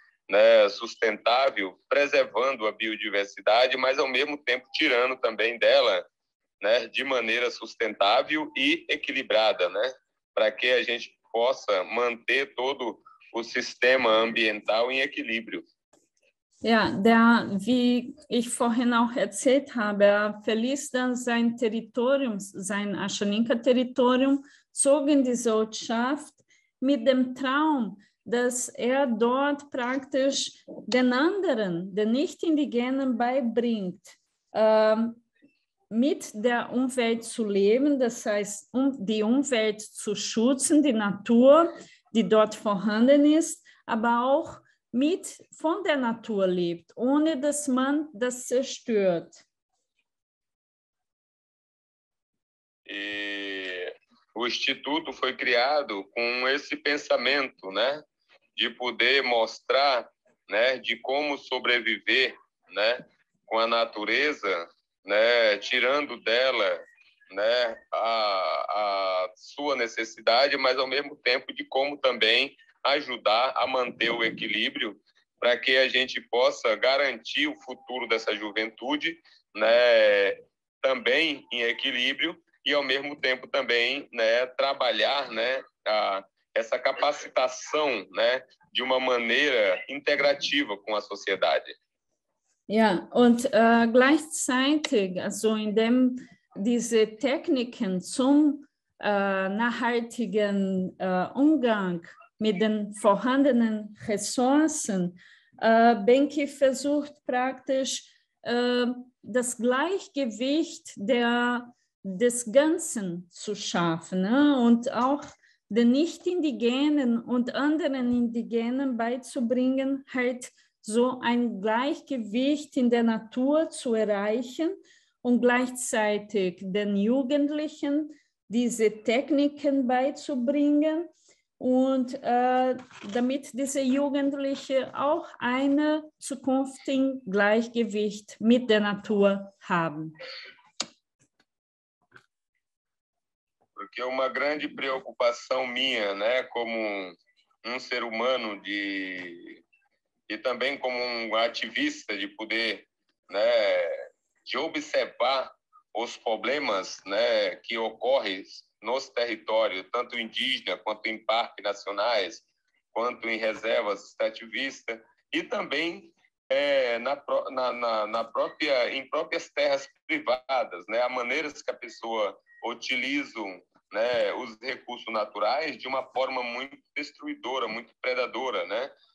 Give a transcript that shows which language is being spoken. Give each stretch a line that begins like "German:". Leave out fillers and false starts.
Portuguese: né, sustentável, preservando a biodiversidade, mas ao mesmo tempo tirando também dela, né, de maneira sustentável e equilibrada, né, para que a gente possa manter todo o sistema ambiental em equilíbrio.
German: Ja, der, wie ich vorhin auch erzählt habe, er verließ dann sein Territorium, sein Aschaninka-Territorium, zog in diese Ortschaft mit dem Traum, dass er dort praktisch den anderen, den Nicht-Indigenen beibringt, mit der Umwelt zu leben, das heißt, um die Umwelt zu schützen, die Natur, die dort vorhanden ist, aber auch mit von der Natur lebt, ohne dass man das zerstört.
Portuguese: E o Instituto foi criado com esse pensamento, né, de poder mostrar, né, de como sobreviver, né, com a natureza, né, tirando dela, né, a sua necessidade, mas ao mesmo tempo de como também ajudar a manter o equilíbrio para que a gente possa garantir o futuro dessa juventude, né, também em equilíbrio e ao mesmo tempo também, né, trabalhar, né, essa capacitação, né, de uma maneira integrativa com a sociedade.
German: Ja, und gleichzeitig, also in dem diese Techniken zum nachhaltigen Umgang mit den vorhandenen Ressourcen, Benki versucht praktisch das Gleichgewicht des Ganzen zu schaffen, ne? Und auch den Nicht-Indigenen und anderen Indigenen beizubringen, halt so ein Gleichgewicht in der Natur zu erreichen und gleichzeitig den Jugendlichen diese Techniken beizubringen und damit diese Jugendlichen auch eine Zukunft im Gleichgewicht mit der Natur haben.
Portuguese: Porque uma grande preocupação minha, né, como um ser humano de, e também como um ativista de poder, né, de observar os problemas, né, que ocorrem nos territórios, tanto indígena, quanto em parques nacionais, quanto em reservas extrativistas, e também em próprias terras privadas, né, a maneiras que a pessoa utiliza, né, os recursos naturais de uma forma muito destruidora, muito predadora, né?